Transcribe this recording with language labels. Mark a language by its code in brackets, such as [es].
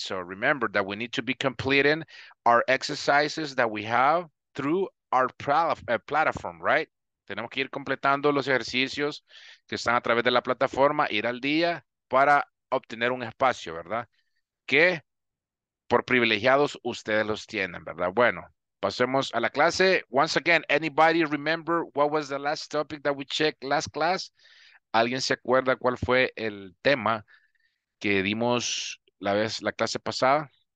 [en] So remember that we need to be completing our exercises that we have through our platform, right? [es] Tenemos que ir completando los ejercicios que están a través de la plataforma, ir al día para obtener un espacio, ¿verdad? Que por privilegiados ustedes los tienen, ¿verdad? Bueno, pasemos a la clase. [en] Once again, anybody remember what was the last topic that we checked last class? [es] ¿Alguien se acuerda cuál fue el tema que dimos la clase pasada?